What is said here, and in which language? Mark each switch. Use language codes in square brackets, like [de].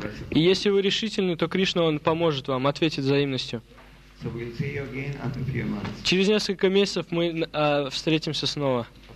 [ru] И если вы решительны, то Кришна он поможет вам, ответит взаимностью. [en] So we'll see you again after a few months. [ru] Через несколько месяцев мы встретимся снова.